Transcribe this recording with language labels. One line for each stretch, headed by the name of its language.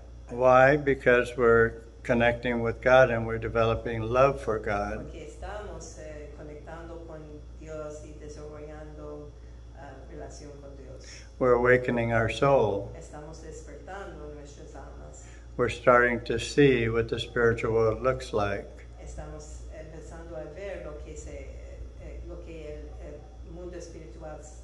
English: Why? Because we're connecting with God and we're developing love for God.
Spanish: Porque estamos conectando con Dios y desarrollando relación con Dios.
English: We're awakening our soul.
Spanish: Estamos despertando nuestras almas.
English: We're starting to see what the spiritual world looks like.
Spanish: Estamos empezando a ver lo que el mundo espiritual,